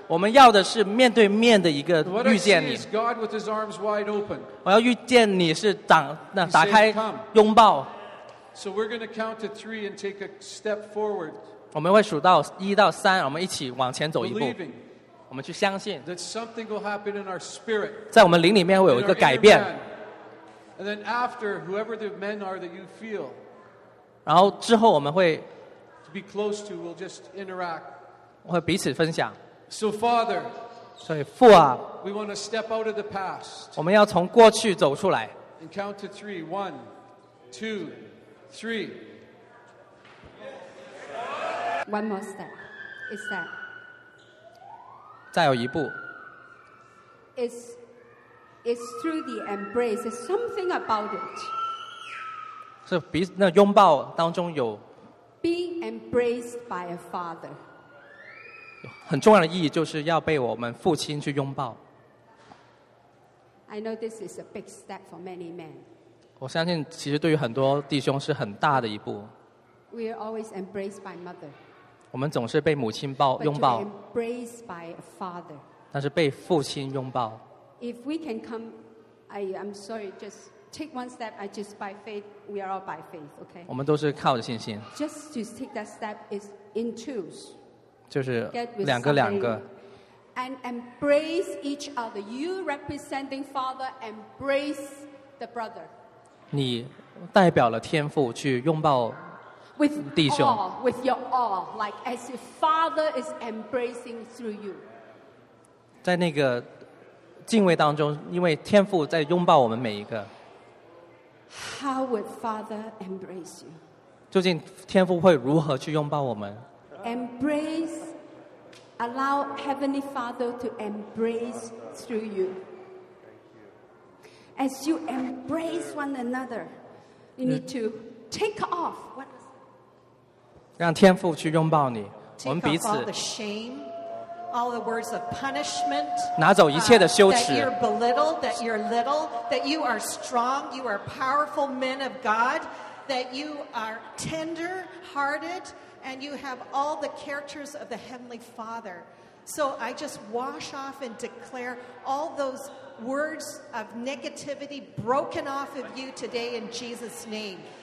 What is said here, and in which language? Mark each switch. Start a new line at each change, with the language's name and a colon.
Chinese: 我们要的是面对面的一个遇见你。
English: What I see is God with His arms wide open.
Chinese: 我要遇见你是打开
English: He says, Come.
Chinese: 拥抱。
English: So we're going to count to three and take a step forward.
Chinese: 我们会数到一到三，我们一起往前走一步。我们去相信。
English: That something will happen in our spirit.
Chinese: 在我们灵里面会有一个改变。
English: And then after, whoever the men are that you feel.
Chinese: 然后之后我们会。
English: To be close to, we'll just interact.
Chinese: 会彼此分享。
English: So Father.
Chinese: 所以父啊。
English: We want to step out of the past.
Chinese: 我们要从过去走出来。
English: And count to three. One, two, three. One more step. Is that?
Chinese: 再有一步。
English: It's through the embrace. There's something about it.
Chinese: 是彼那拥抱当中有。
English: Being embraced by a father.
Chinese: 很重要的意义就是要被我们父亲去拥抱。
English: I know this is a big step for many men.
Chinese: 我相信其实对于很多弟兄是很大的一步。
English: We are always embraced by mother.
Chinese: 我们总是被母亲抱拥抱。
English: But to be embraced by a father.
Chinese: 但是被父亲拥抱。
English: If we can come, I'm sorry, just take one step, I just by faith, we are all by faith, okay?
Chinese: 我们都是靠着信心。
English: Just to take that step is in twos.
Chinese: 就是两个两个。
English: And embrace each other. You representing Father, embrace the brother.
Chinese: 你代表了天父去拥抱弟兄。
English: With your awe, like as if Father is embracing through you.
Chinese: 在那个敬畏当中，因为天父在拥抱我们每一个。
English: How would Father embrace you?
Chinese: 究竟天父会如何去拥抱我们？
English: Embrace, allow Heavenly Father to embrace through you. As you embrace one another, you need to take off.
Chinese: 让天父去拥抱你，我们彼此。
English: All the words of punishment,
Chinese: 拿走一切的羞耻
English: that you're belittled, that you're little, that you are strong, you are powerful men of God, that you are tender-hearted, and you have all the characters of the Heavenly Father. So I just wash off and declare all those words of negativity broken off of you today in Jesus' name.